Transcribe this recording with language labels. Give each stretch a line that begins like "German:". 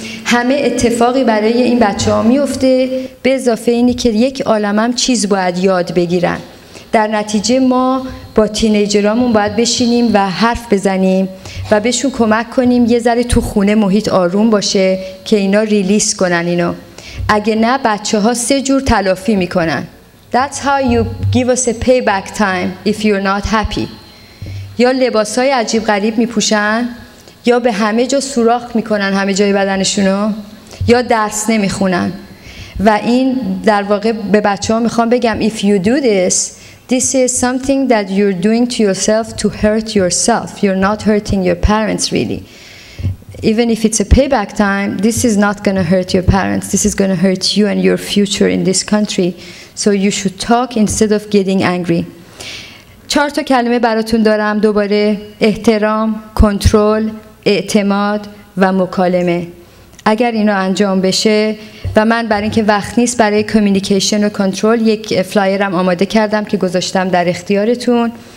Persian: همه اتفاقی برای این بچه‌ها میفته، به اضافه اینی که یک عالمم چیز باید یاد بگیرن. در نتیجه ما با تینیجرامون باید بشینیم و حرف بزنیم و بهشون کمک کنیم یه ذره تو خونه محیط آروم باشه که اینا ریلیس کنن اینو. اگه نه بچه‌ها سه جور تلافی میکنن.
English: That's how you give us a payback time if you're not happy.
Persian: یا لباسای عجیب غریب میپوشن، یا به همه جا سوراخ میکنن همه جای بدنشونو، یا درس نمیخونن.
English: و این در واقع به بچه‌ها میخوام بگم if you do this, this is something that you're doing to yourself to hurt yourself. You're not hurting your parents really. Even if it's a payback time, this is not going to hurt your parents. This is going to hurt you and your future in this country. So you should talk instead of getting angry.
Persian: چهار تا کلمه براتون دارم دوباره: احترام، کنترل، اعتماد و مکالمه. اگر اینا انجام بشه، و من برای اینکه وقت نیست برای کمیونیکیشن و کنترل یک فلایرم آماده کردم که گذاشتم در اختیارتون.